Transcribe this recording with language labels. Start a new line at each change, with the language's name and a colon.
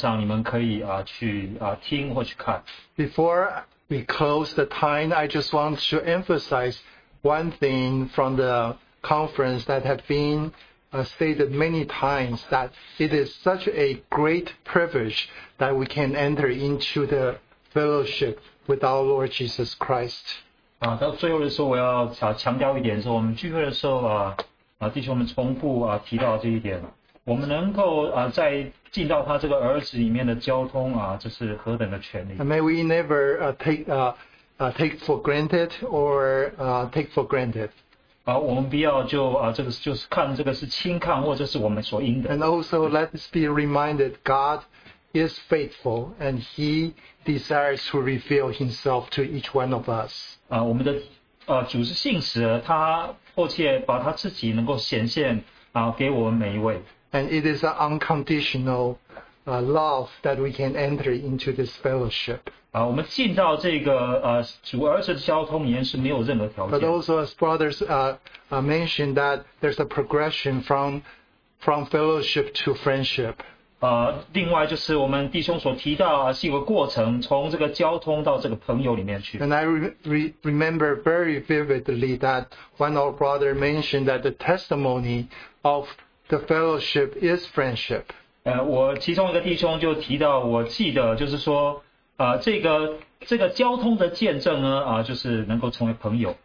Chinese: 我们这个聚会的信息的一些，甚至这个试音都有在这个线上，你们可以去听或去看。
English: Before we close the time, I just want to emphasize one thing from the conference that has been stated many times, that it is such a great privilege that we can enter into the fellowship with our Lord Jesus Christ.
Chinese: 到最后的时候我要强调一点，是我们聚会的时候，弟兄们重复提到这一点，我们能够在 进到他这个儿子里面的交通，这是何等的权利。
English: And may we never take for granted or take for granted.
Chinese: 我们不要就看这个是轻看或者是我们所应的。
English: And also let us be reminded God is faithful and He desires to reveal Himself to each one of us.
Chinese: 我们的主是信实，他迫切把他自己能够显现给我们每一位。
English: And it is an unconditional love that we can enter into this fellowship.
Chinese: 我们进到这个, 主儿子的交通里面是没有任何条件。
English: But also as brothers mentioned that there's a progression from fellowship to friendship.
Chinese: 另外就是我们弟兄所提到是一个过程, 从这个交通到这个朋友里面去。
English: And I remember very vividly that one of our brothers mentioned that the testimony of the fellowship is friendship.
Chinese: 我其中一个弟兄就提到，我记得就是说， 这个交通的见证呢， 就是能够成为朋友。